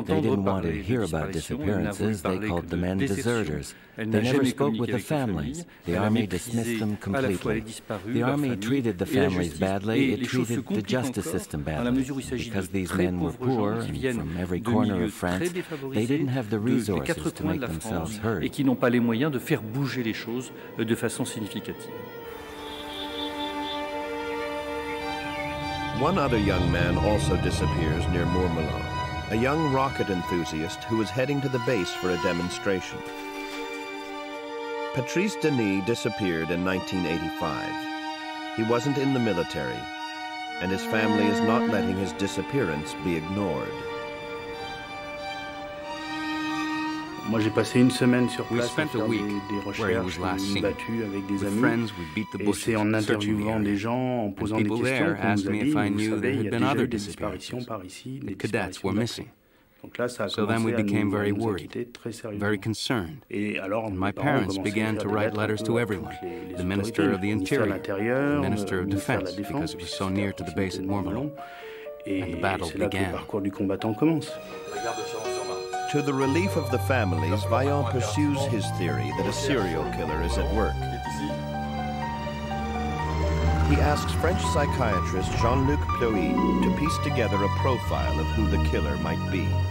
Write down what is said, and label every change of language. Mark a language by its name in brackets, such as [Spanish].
[English] They didn't want to hear about disappearances. They called the men deserters. They never spoke with the families. The army dismissed them completely. The army treated the families badly. It treated the justice system badly. Because these men were poor and from every corner of France, they didn't have the resources to make themselves heard. [French] Et qui n'ont pas les moyens de faire bouger les choses de façon significative. [English] One other young man also disappears near Mourmelon, a young rocket enthusiast who was heading to the base for a demonstration. Patrice Denis disappeared in 1985. He wasn't in the military, and his family is not letting his disappearance be ignored. [French] Moi, j'ai passé une semaine sur place à faire des recherches, une battue avec des amis. Et c'est en interviewant des gens, en posant des questions, qu'on nous a dit, vous savez, il y a déjà eu des disparitions par ici, des disparitions d'après. Donc là, ça a commencé à nous inquiéter très sérieusement. Et alors, mes parents ont commencé à écrire des lettres à tout le monde. Le ministre de l'Intérieur, le ministre de la Défense, parce que c'était si près de la base de Mormelon. Et c'est là que le parcours du combattant commence. [English] To the relief of the families, Vaillant pursues his theory that a serial killer is at work. He asks French psychiatrist Jean-Luc Ploy to piece together a profile of who the killer might be.